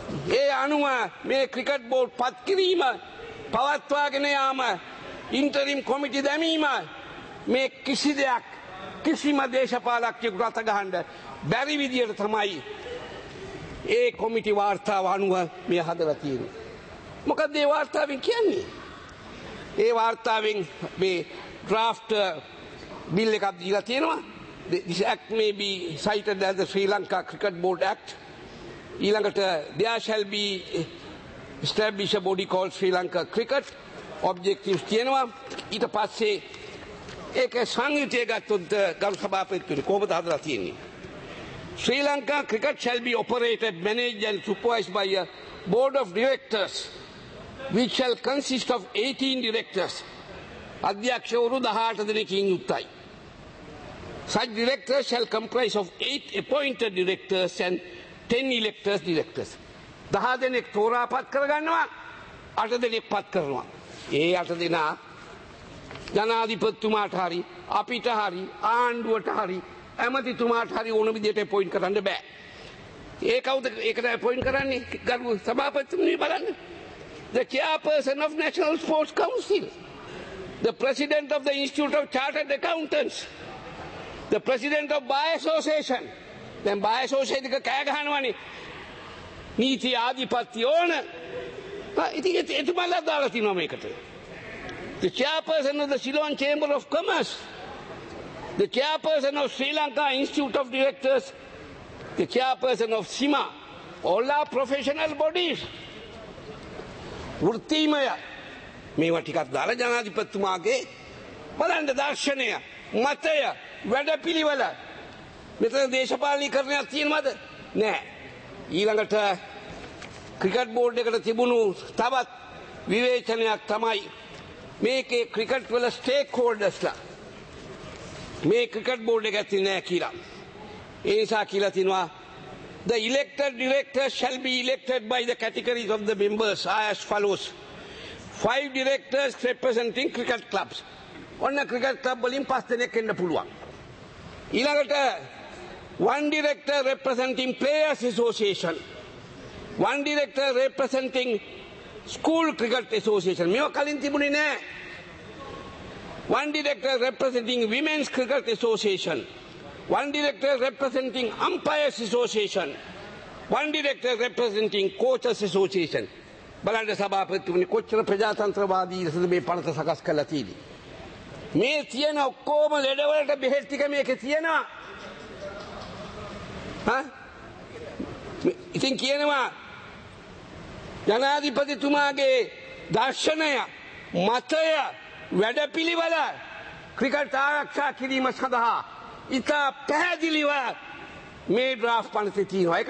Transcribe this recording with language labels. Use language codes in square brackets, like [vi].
[si] ඒ අනුව මේ cricket board පත්කිරීම පවත්වාගෙන යාම, ඉන්ටරිම් කොමිටි දැමීම, මේ කිසි දෙයක් කිසිම දේශපාලකයෙකුට අත ගහන්න බැරි විදියට තමයි ඒ කොමිටි වාර්තාව අනුව මේ හදලා තියෙන්නේ. මොකද ඒ වාර්තාවෙන් කියන්නේ, ඒ වාර්තාවෙන් මේ ඩ්‍රාෆ්ට් බිල් එකක් දීලා තියෙනවා. [en] This act may be cited as the Sri Lanka Cricket Board Act. ඊළඟට there shall be established a body called Sri Lanka Cricket. [si] Objectives තියෙනවා. ඊට පස්සේ ඒක සංයුතිය ගත්තොත් ගරු සභාපතිතුමනි කොහොමද හදලා තියෙන්නේ? [en] Sri Lanka Cricket shall be operated, managed and supervised by a board of directors which shall consist of 18 directors. [si] අධ්‍යක්ෂවරු 18 දෙනෙක්ින් යුක්තයි. [en] Such directors shall comprise of 8 appointed directors and 10 electors directors. [si] 10 දෙනෙක් තෝරාපත් කරගන්නවා, 8 දෙනෙක් පත් කරනවා. ඒ 8 දෙනා ජනාධිපතිතුමාට හරි, අපිට හරි, ආණ්ඩුවට හරි, ඇමතිතුමාට හරි ඕන විදිහට appoint කරන්න බෑ. ඒ කවුද ඒකට appoint කරන්නේ? ගරු සභාපතිතුමනි බලන්න. [en] The chairperson of National Sports Council, the president of the Institute of Chartered Accountants, the president of Bar Association. [si] Then Bar Association එක කෑ ගහනවනේ. නීති ආධිපත්‍ය ඕන. ඉතින් එතුමාලා දාලා තිනවා මේකට. [en] The chairperson of the Ceylon Chamber of Commerce, the chairperson of Sri Lanka Institute of Directors, the chairperson of SIMA, all are professional bodies. [si] වෘත්තීමය මේවා ටිකක් දාලා ජනාධිපතිතුමාගේ බලන්න දර්ශනය මතය වැඩපිළිවෙල මෙතන දේශපාලනීකරණයක් තියෙනවද? නැහැ. ඊළඟට ක්‍රිකට් බෝඩ් එකට තිබුණු තවත් විවේචනයක් තමයි මේකේ ක්‍රිකට් වල ස්ටේක් හෝල්ඩර්ස්ලා මේ ක්‍රිකට් බෝඩ් එක ඇති නැහැ කියලා. ඒ නිසා කියලා තිනවා [en] the elected director shall be elected by the categories of the members as follows. Five directors representing cricket clubs. [si] ඔන්න ක්‍රිකට් ක්ලබ් වලින් පස් දෙනෙක් එන්න පුළුවන්. [en] ඊළඟට one director representing players association. One director representing school cricket association. [si] මේව කලින් තිබුණේ නැහැ. [en] One director representing women's cricket association. One director representing umpires association. One director representing coaches association. [si] බලන්න සභාපතිතුමනි කොච්චර ප්‍රජාතන්ත්‍රවාදීද මේ පනත සකස් කළා තියෙන්නේ. මේ තියෙන ඔක්කොම ලෙඩවලට බෙහෙත් ටික මේකේ තියෙනවා. හා? ඉතින් කියනවා ජනාධිපතිතුමාගේ දර්ශනය මතය වැඩපිළිවෙල ක්‍රිකට් ආරක්ෂා කිරීම සඳහා ඉතා පැහැදිලිව මේ ඩ්‍රාෆ්ට් පනතේ තියෙනවා.